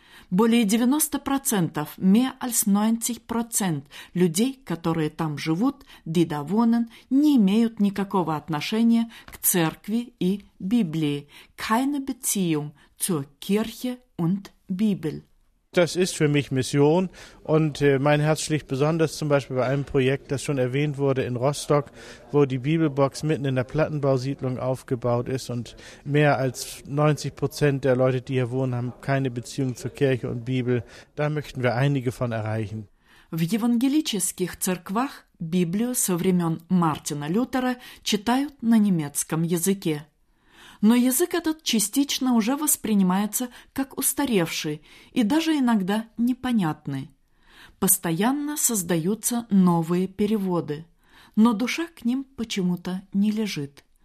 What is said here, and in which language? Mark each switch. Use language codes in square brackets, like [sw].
[ru] Более 90%, [de] mehr als 90% [ru] людей, которые там живут, [de] die da wohnen, [ru] не имеют никакого отношения к церкви и Библии. [de] Keine Beziehung zur Kirche und Bibel. Das ist für mich Mission und mein Herz schlägt besonders zum Beispiel bei einem Projekt, das schon erwähnt wurde in Rostock, wo die Bibelbox mitten in der Plattenbausiedlung aufgebaut ist und mehr als 90% der Leute, die hier wohnen, haben keine Beziehung zur Kirche und Bibel. Da möchten wir einige von erreichen. [ru] В евангелических церквах Библию со времен Мартина Лютера читают на немецком языке. Но язык этот частично уже воспринимается как устаревший и даже иногда непонятный. Постоянно создаются новые переводы, но душа к ним почему-то не лежит.